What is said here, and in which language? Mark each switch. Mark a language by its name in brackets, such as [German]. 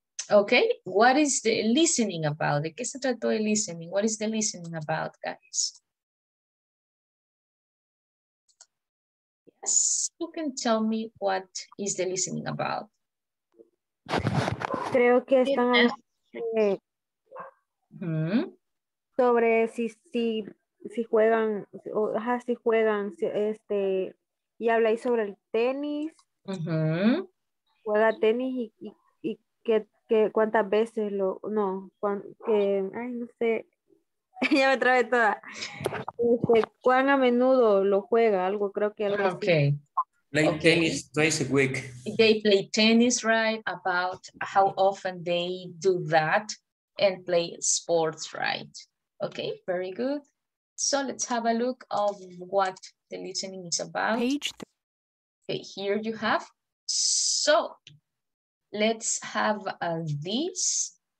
[English] Okay, what is the listening about? [Spanish] ¿De qué se trató el listening? [English] What is the listening about, guys? Yes, who can tell me what is the listening about? [Spanish] Creo que están sobre si juegan o si juegan y habla ahí sobre el tenis. Uh-huh. Juega tenis y que cuántas veces lo no cuan, que ay no sé ya me trabé toda cuán a menudo lo juega algo creo que algo okay así. [English] Play okay. Tennis twice a week. They play tennis, right? About how often they do that and play sports, right? Okay, very good. So let's have a look of what the listening is about. Okay, here you have. So let's have this.